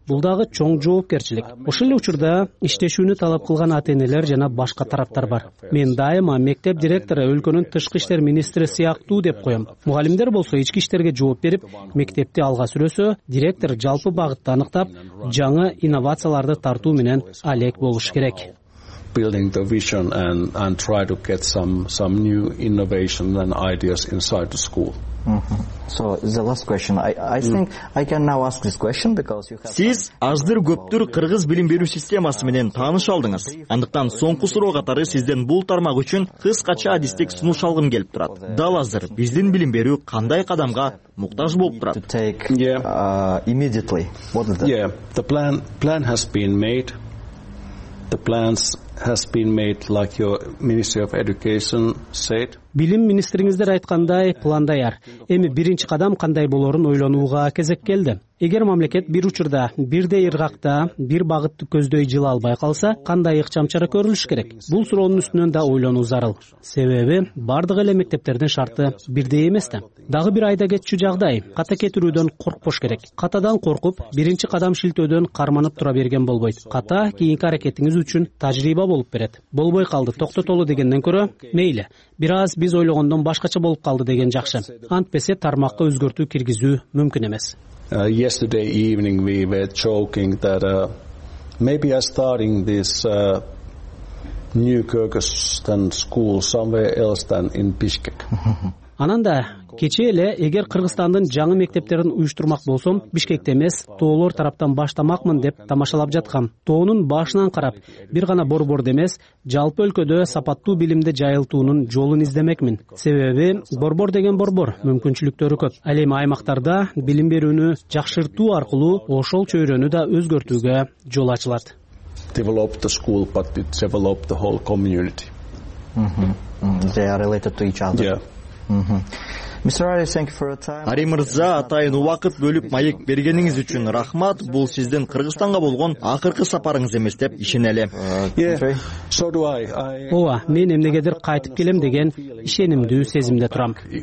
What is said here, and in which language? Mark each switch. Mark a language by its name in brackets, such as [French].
[Kyrgyz] Бул дагы чоң жоопкерчилик. Ошол эле учурда иштешүүнү талап кылган ата-энелер жана башка тараптар бар. Мен дайыма мектеп директору өлкөнүн тышкы иштер министри сыяктуу деп коем. Мугалимдер болсо ички иштерге жооп берип, мектепти алга сүрөсө, директор жалпы багытты аныктап, жаңы инновацияларды тартуу менен алек болуш керек. [English] Building the vision and try to get some new innovation and ideas inside the school. Mm-hmm. So the last question. I think I can now ask this question because you have. [Kyrgyz] Сиз азыр көптүр кыргыз билим берүү системасы менен тааныш алдыңыз. Андыктан соңку суроо катары сизден бул тармак үчүн кыскача адистик сунуш алгым келип турат. Дал азыр биздин билим берүү кандай кадамга муктаж болуп турат? [English] Immediately. What is that? Yeah. The plan has been made. The plans has been made like your Ministry of Education said. [Kyrgyz] Билим министриңиздер айткандай план даяр. Эми биринчи кадам кандай болорун ойлонууга кезек келди. Эгер мамлекет бир учурда, бирдей ыргакта, бир багытты көздөй жыла албай калса, кандай ыкчам чара көрүлүш керек? Бул суроонун үстүнөн да ойлонуу зарыл. Себеби, бардык эле мектептердин шарты бирдей эмес да. Дагы бир айда кетчү жагдай, ката кетирүүдөн коркпош керек. Катадан коркуп, биринчи кадам шилтөөдөн карманып тура берген болбойт. Ката кийинки аракетиңиз үчүн тажрыйба болуп берет. Болбой калды, токтотолу дегенден көрө, мейли. Бираз биз ойлогондон башкача болуп калды деген жакшы. Антпесе тармакка өзгөртүү киргизүү мүмкүн эмес. [English] Yesterday evening we were joking that maybe I'm starting this new Kyrgyzstan school somewhere else than in Bishkek. [Kyrgyz] Анан да кечээ эле эгер Кыргызстандын жаңы мектептерин уюштурмак болсом, Бишкекте эмес, тоолор тараптан баштамакмын деп тамашалап жаткам. Тоонун башынан карап, бир гана борбор эмес, жалпы өлкөдө сапаттуу билимди жайылтуунун жолун издемекмин. Себеби, борбор деген борбор, мүмкүнчүлүктөрү көп. Ал эми аймактарда билим берүүнү жакшыртуу аркылуу ошол чөйрөнү да өзгөртүүгө жол ачылат. [English] Develop the school, but it develop the whole community. Mm-hmm. They are related to each other. Yeah. Mm-hmm. [Kyrgyz] Ари Мырза, атайын уақыт бөліп майык бергеніңіз үчін рахмат. Бұл сіздің Қырғызстанға болған ақырқы сапарыңыз емес деп ішенелі. Ола, мен емнегедір қайтып келем деген ішенімді сезімде тұрам.